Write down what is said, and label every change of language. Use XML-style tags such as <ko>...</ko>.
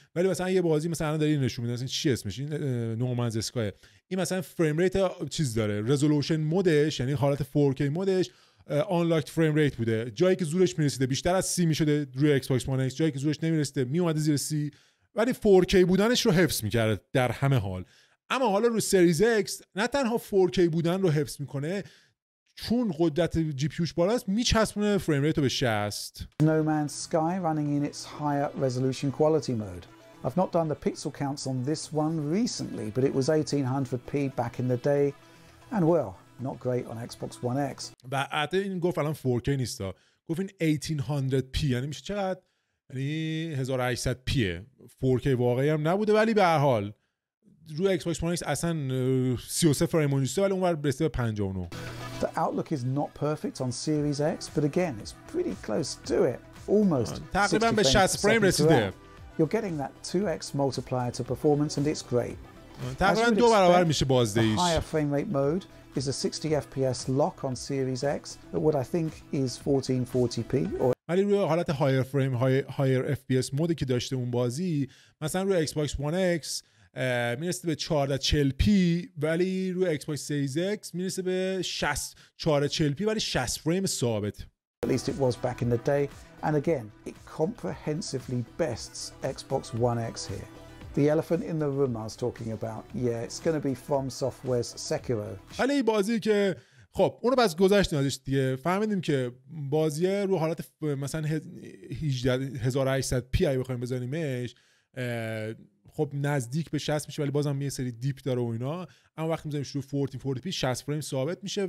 <fa>ولی مثلا یه بازی مثلا الان دارین نشون میدین چی اسمش، این نومنز اسکای، این مثلا فریم ریت چیز داره، رزولوشن مودش، یعنی حالت 4K مودش آنلاکت فریم ریت بوده، جایی که زورش میرسیده بیشتر از 30 میشده روی ایکس باکس وان ایکس، جایی که زورش نمیرسیده میومده زیر 30، ولی 4K بودنش رو حفظ میکرده در همه حال. اما حالا رو سریز اکس نه تنها 4K بودن رو حفظ میکنه، چون قدرت جی پی یوش بالاست میچسبونه فریم ریت رو به 60.</fa> <en>No Man's Sky running in its higher resolution quality mode. I've not done the pixel counts on this one recently, but it was 1800p back in the day and well, not great on Xbox One X.</en> <fa>بعد این گفت الان 4K نیستا، گفت این 1800p، یعنی میشه چقدر یعنی 1800 پیه 4K واقعی هم نبوده، ولی به هر حال روی ایکس باکس وان ایکس اصلا 33 فریم اون ولی اونور رسیده به 59.</fa> <en>The outlook is not perfect on Series X, but again, it's pretty close to it. Almost.</en> <fa>تقریبا به 60 فریم رسیده.</fa> <en>You're getting that 2X multiplier to performance and it's great.</en> <fa>تقریبا دو برابر میشه بازدهیش.</fa> <en>The higher frame rate mode is a 60 FPS lock on Series X, but what I think is 1440p or</en> <fa>ولی روی حالت هایر فریم هایر اف پی اس مودی که داشته اون بازی، مثلا روی ایکس باکس وان ایکس میرسه به 1440p ولی روی ایکس باکس سیریز ایکس میرسه به 1440p ولی 60 فریم ثابت.</fa> <en>At least it was back in the day, and again it comprehensively bests Xbox One X here. The elephant in the room I was talking about, yeah, it's going to be From Software's Sekiro.</en> <fa>ولی بازی که خب اونو بس گذشتیم ازش دیگه، فهمیدیم که بازی رو حالت مثلا 1800 پی ای بخوایم بزنیمش خب نزدیک به 60 میشه، ولی بازم یه سری دیپ داره و اینا، اما وقتی میذاریمش رو 1440p 60 فریم ثابت میشه.</fa>